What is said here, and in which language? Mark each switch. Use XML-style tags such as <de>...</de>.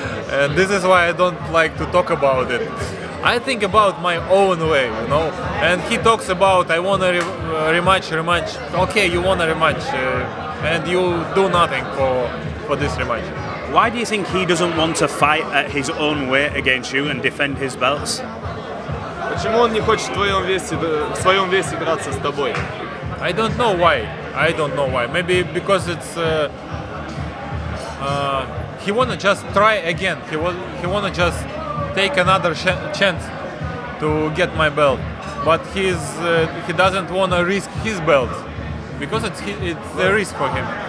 <en>And this is why I don't like to talk about it. I think about my own way, you know, and he talks about I want a rematch. Okay, you want a rematch, and you do nothing for this rematch. Why do you think he doesn't want to fight at his own weight against you and defend his belts?</en> <ru>Почему он не хочет в своем весе драться с тобой?</ru> <en>I don't know why. Maybe because it's he wanna just try again. He wanna just take another chance to get my belt, but he doesn't want to risk his belt because it's a risk for him.</en>